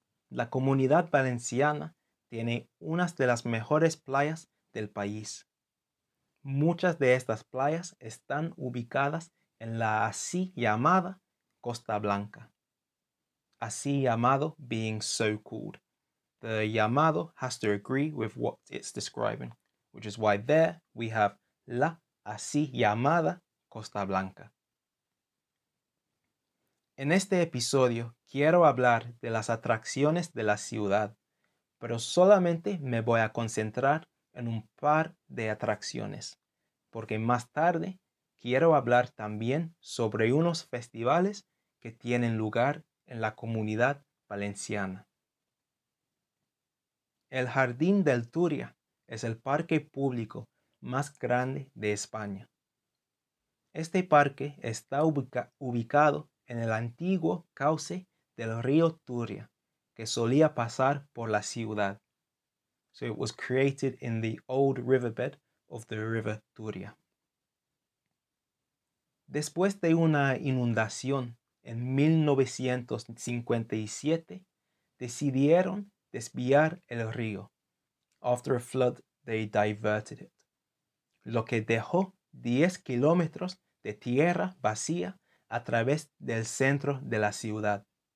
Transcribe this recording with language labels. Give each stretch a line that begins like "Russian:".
Spanish: La comunidad valenciana tiene unas de las mejores playas del país. Muchas de estas playas están ubicadas en la así llamada Costa Blanca, así llamado
English: being so called. The llamado has to agree with what it's describing, which is why there we have
Spanish: la así llamada Costa Blanca. En este episodio quiero hablar de las atracciones de la ciudad, pero solamente me voy a concentrar en un par de atracciones, porque más tarde quiero hablar también sobre unos festivales que tienen lugar en la comunidad valenciana. El Jardín del Turia es el parque público más grande de España. Este parque está ubicado en el antiguo cauce del río Turia, que solía pasar por la ciudad.
English: So it was created in the old riverbed of the river Turia.
Spanish: Después de una inundación en 1957, decidieron desviar el río.
English: After a flood, they diverted it,
Spanish: lo que dejó 10 kilómetros de tierra vacía a través del centro de la ciudad.